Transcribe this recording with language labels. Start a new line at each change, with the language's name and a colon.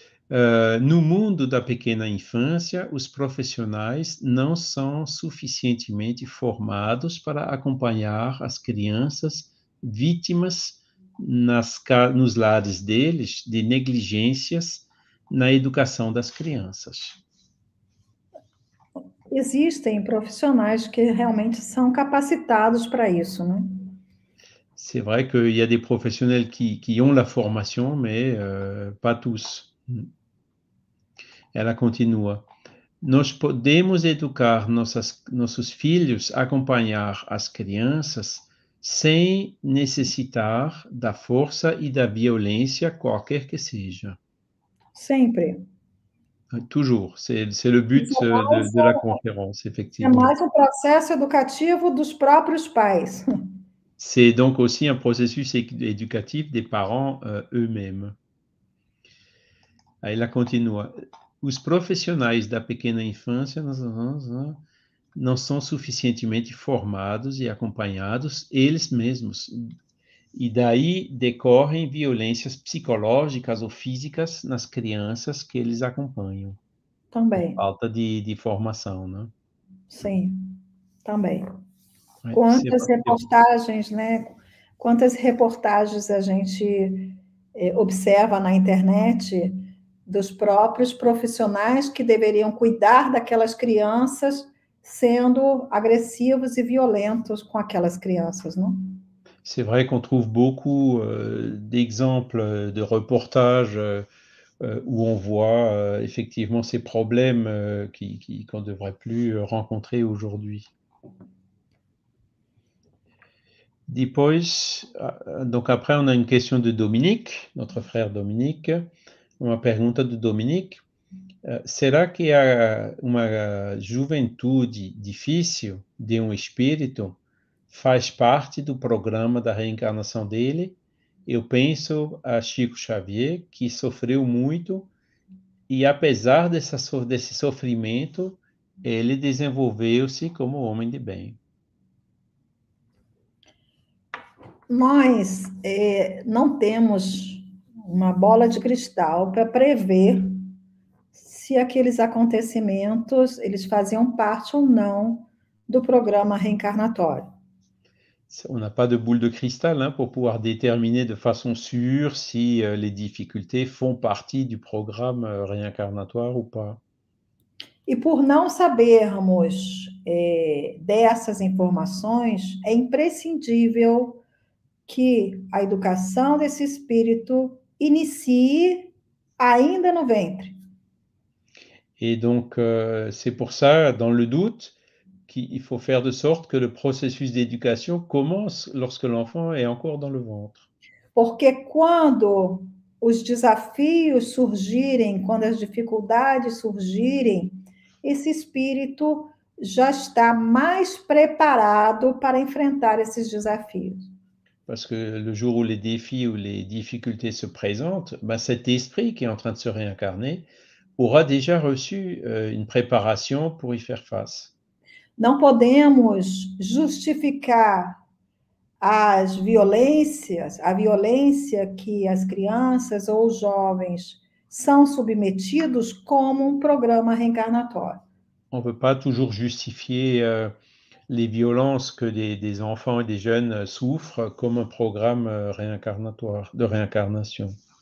Portuguese: No mundo da pequena infância, os profissionais não são suficientemente formados para acompanhar as crianças vítimas nos lares deles de negligências. Na educação das crianças. Existem profissionais que realmente são capacitados para isso, né?
French: C'est vrai qu'il y a des professionnels qui ont la formation, mais pas tous.
Portuguese: Ela continua. Nós podemos educar nossos filhos a acompanhar as crianças sem necessitar da força e da violência, qualquer que seja. Sempre.
French: Toujours, c'est le
Portuguese: Isso
French: but de la conférence,
Portuguese: é
French: effectivement.
Portuguese: mais o processo educativo dos próprios pais.
French: C'est donc aussi un processus éducatif des parents eux-mêmes.
Portuguese: Aí ela continua. Os profissionais da pequena infância não são suficientemente formados e acompanhados eles mesmos. E daí decorrem violências psicológicas ou físicas nas crianças que eles acompanham, por Também. falta de formação, né? Sim, também. É, Quantas eu... reportagens, né? Quantas reportagens a gente observa na internet dos próprios profissionais que deveriam cuidar daquelas crianças sendo agressivos e violentos com aquelas crianças, não?
French: C'est vrai qu'on trouve beaucoup d'exemples de reportages où on voit effectivement ces problèmes qu'on ne devrait plus rencontrer aujourd'hui. Donc après, on a une question de Dominique, notre frère Dominique. On m'a
Portuguese: pergunta de Dominique, será que há uma juventude difícil de um espírito? Faz parte do programa da reencarnação dele. Eu penso a Chico Xavier, que sofreu muito, e apesar desse sofrimento, ele desenvolveu-se como homem de bem. Nós não temos uma bola de cristal para prever se aqueles acontecimentos eles faziam parte ou não do programa reencarnatório.
French: On n'a pas de boule de cristal, hein, pour pouvoir déterminer de façon sûre si, les difficultés font partie du programme, réincarnatoire ou pas.
Portuguese: E por não sabermos dessas informações, é imprescindível que a educação desse espírito inicie ainda no ventre.
French: Et donc, c'est pour ça, dans le doute. Qu'il faut faire de sorte que le processus d'éducation commence lorsque l'enfant est encore dans le ventre.
Portuguese: Porque quando os desafios surgirem, quando as dificuldades surgirem, esse espírito já está mais preparado para enfrentar esses desafios.
French: Parce que le jour où les défis ou les difficultés se présentent, ben cet esprit qui est en train de se réincarner aura déjà reçu une préparation pour y faire face.
Portuguese: Não podemos justificar as violências, a violência que as crianças ou os jovens são submetidos como um programa reencarnatório.
French: On ne peut pas toujours justifier les violences que des enfants et des jeunes souffrent comme un programme réincarnatoire, de réincarnation.